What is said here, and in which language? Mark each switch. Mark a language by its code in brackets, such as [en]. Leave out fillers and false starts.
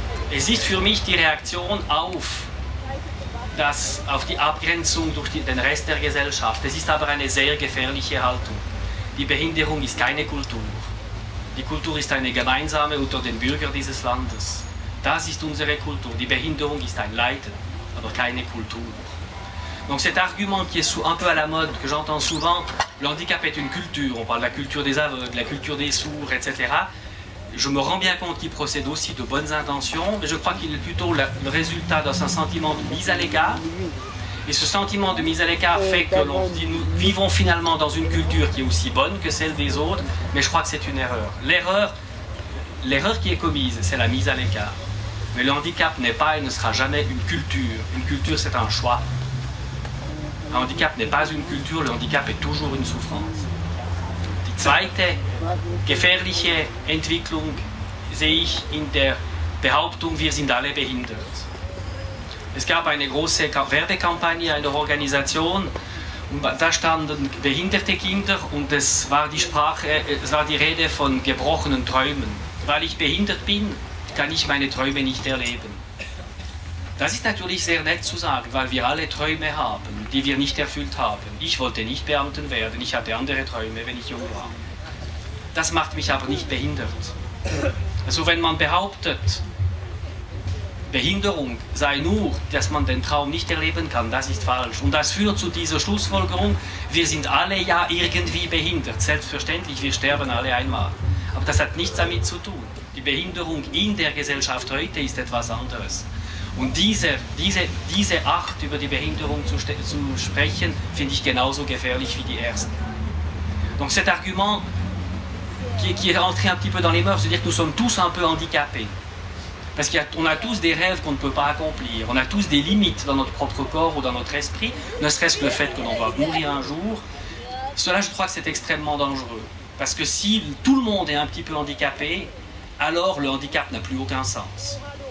[de] Es ist für mich die Reaktion auf die Abgrenzung durch den Rest der Gesellschaft. Es ist aber eine sehr gefährliche Haltung. Die Behinderung ist keine Kultur. Die Kultur ist eine gemeinsame unter den Bürgern dieses Landes. Das ist unsere Kultur. Die Behinderung ist ein Leiden, aber keine Kultur. [fr] Donc cet argument qui est un peu à la mode, que j'entends souvent, le handicap est une culture, on parle de la culture des aveugles, la culture des sourds, etc. Je me rends bien compte qu'il procède aussi de bonnes intentions, mais je crois qu'il est plutôt le résultat d'un sentiment de mise à l'écart. Et ce sentiment de mise à l'écart fait que l'on se dit, nous vivons finalement dans une culture qui est aussi bonne que celle des autres, mais je crois que c'est une erreur. L'erreur qui est commise, c'est la mise à l'écart. Mais le handicap n'est pas et ne sera jamais une culture. Une culture, c'est un choix. Le handicap n'est pas une culture, le handicap est toujours une souffrance. [de] Die zweite gefährliche Entwicklung sehe ich in der Behauptung, wir sind alle behindert. Es gab eine große Werbekampagne einer Organisation, und da standen behinderte Kinder und es war die Rede von gebrochenen Träumen. Weil ich behindert bin, kann ich meine Träume nicht erleben. Das ist natürlich sehr nett zu sagen, weil wir alle Träume haben, die wir nicht erfüllt haben. Ich wollte nicht Beamten werden, ich hatte andere Träume, wenn ich jung war. Das macht mich aber nicht behindert. Also wenn man behauptet, Behinderung sei nur, dass man den Traum nicht erleben kann, das ist falsch. Und das führt zu dieser Schlussfolgerung, wir sind alle ja irgendwie behindert. Selbstverständlich, wir sterben alle einmal. Aber das hat nichts damit zu tun. Die Behinderung in der Gesellschaft heute ist etwas anderes. Und diese Art, über die Behinderung zu sprechen, finde ich genauso gefährlich wie die erste. [fr] Donc cet argument qui est rentré un petit peu dans les mœurs, c'est-à-dire que nous sommes tous un peu handicapés. Parce qu'on a tous des rêves qu'on ne peut pas accomplir, on a tous des limites dans notre propre corps ou dans notre esprit, ne serait-ce que le fait que l'on va mourir un jour. Cela, je crois que c'est extrêmement dangereux. Parce que si tout le monde est un petit peu handicapé, alors le handicap n'a plus aucun sens.